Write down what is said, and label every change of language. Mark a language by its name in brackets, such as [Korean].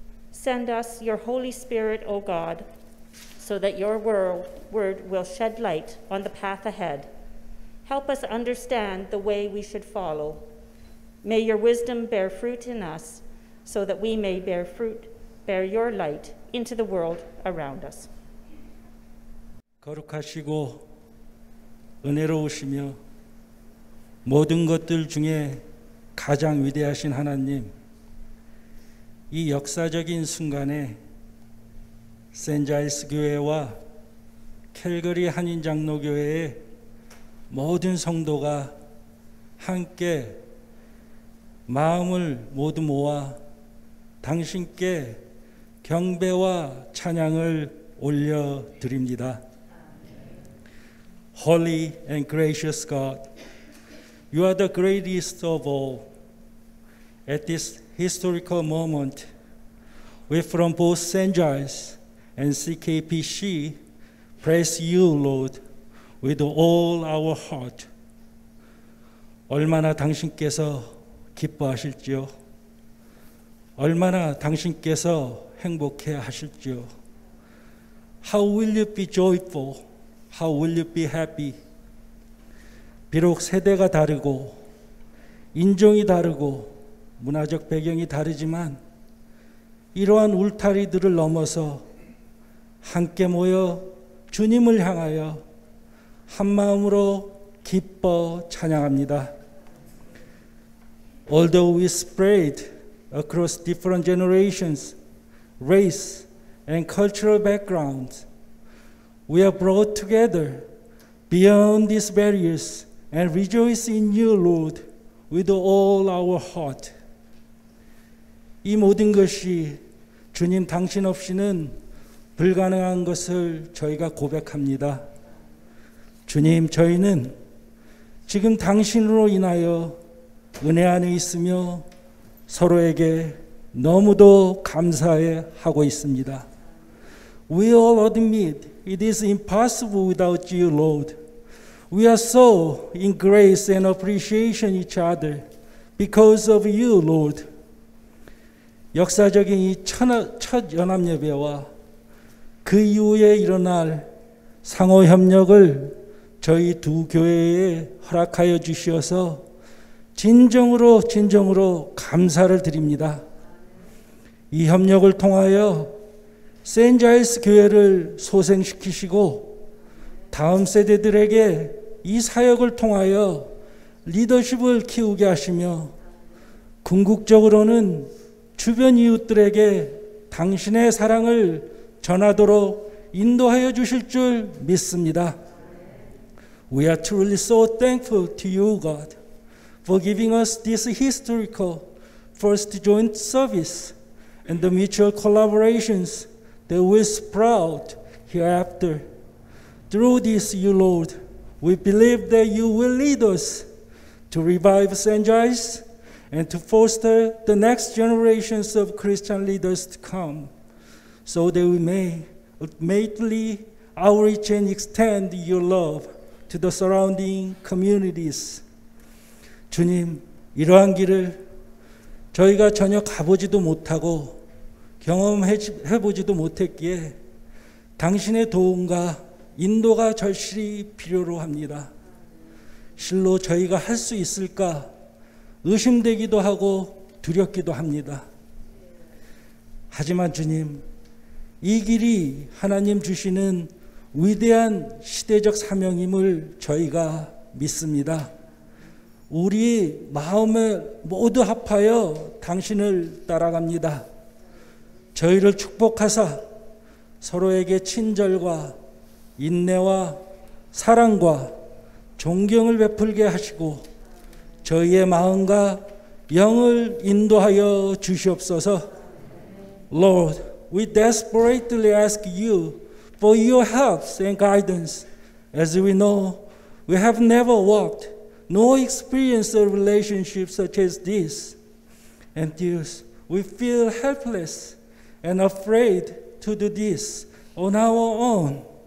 [English] Send us your Holy Spirit, O God, so that your word will shed light on the path ahead. Help us understand the way we should follow. May your wisdom bear fruit in us, so that we may bear your light into the world around us. [Korean] 거룩하시고 은혜로우시며 모든 것들 중에 가장 위대하신 하나님, 이 역사적인 순간에 센자이스 교회와 캘거리 한인장로교회의 모든 성도가 함께 마음을 모두 모아 당신께 경배와 찬양을 올려드립니다. [English] Holy and gracious God, You are the greatest of all. At this historical moment, we from both St. Giles and CKPC praise you, Lord, with all our heart. [Korean] 얼마나 당신께서 기뻐하실지요? 얼마나 당신께서 행복해 하실지요? [English] How will you be joyful? How will you be happy? [Korean] 비록 세대가 다르고 인종이 다르고 문화적 배경이 다르지만 이러한 울타리들을 넘어서 함께 모여 주님을 향하여 한 마음으로 기뻐 찬양합니다. [English] Although we spread across different generations, race, and cultural backgrounds, we are brought together beyond these barriers and rejoice in you, Lord, with all our heart. [Korean] 이 모든 것이 주님 당신 없이는 불가능한 것을 저희가 고백합니다. 주님, 저희는 지금 당신으로 인하여 은혜 안에 있으며 서로에게 너무도 감사해 하고 있습니다. [English] We all admit it is impossible without you, Lord. We are so in grace and appreciation each other because of you, Lord. [Korean] 역사적인 이 첫 연합 예배와 그 이후에 일어날 상호 협력을 저희 두 교회에 허락하여 주시어서 진정으로 감사를 드립니다. 이 협력을 통하여 세인트 자일스 교회를 소생시키시고 다음 세대들에게 이 사역을 통하여 리더십을 키우게 하시며 궁극적으로는 주변 이웃들에게 당신의 사랑을 전하도록 인도하여 주실 줄 믿습니다. [English] We are truly so thankful to you, God, for giving us this historical first joint service and the mutual collaborations that will sprout hereafter. Through this, you, Lord, we believe that you will lead us to revive St. Giles and to foster the next generations of Christian leaders to come, so that we may ultimately outreach and extend your love to the surrounding communities. [Korean] 주님, 이러한 길을 저희가 전혀 가보지도 못하고 경험해보지도 못했기에 당신의 도움과 인도가 절실히 필요로 합니다. 실로 저희가 할 수 있을까 의심되기도 하고 두렵기도 합니다. 하지만 주님, 이 길이 하나님 주시는 위대한 시대적 사명임을 저희가 믿습니다. 우리 마음에 모두 합하여 당신을 따라갑니다. 저희를 축복하사 서로에게 친절과 인내와 사랑과 존경을 베풀게 하시고 저희의 마음과 영을 인도하여 주시옵소서. [English] Lord, we desperately ask you for your help and guidance, as we know we have never walked nor experienced a relationship such as this. And thus, we feel helpless and afraid to do this on our own.